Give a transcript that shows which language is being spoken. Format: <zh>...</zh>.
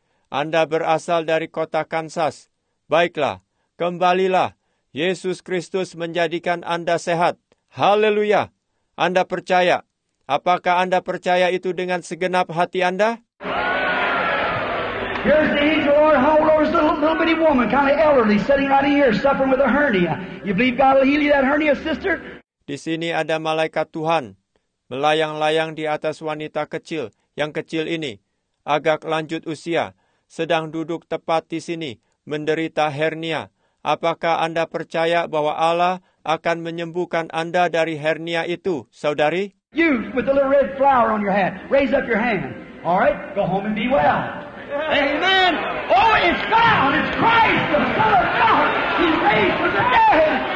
<id>Anda berasal dari kota Kansas. Baiklah, kembalilah. Yesus Kristus menjadikan Anda sehat. Haleluya. Anda percaya. Apakah Anda percaya itu dengan segenap hati Anda?</id> <en>Here's the angel, Lord. How old is the little bitty woman, kind of elderly, sitting right here, suffering with a hernia. You believe God will heal you that hernia, sister?</en> <id>Di sini ada malaikat Tuhan melayang-layang di atas wanita kecil yang kecil ini, agak lanjut usia, sedang duduk tepat di sini, menderita hernia. Apakah Anda percaya bahwa Allah akan menyembuhkan Anda dari hernia itu, saudari?</id> <en>You, with the little red flower on your hat, raise up your hand. All right, go home and be well. Amen. Oh, it's God, it's Christ, the Son of God. He's raised from the dead.</en>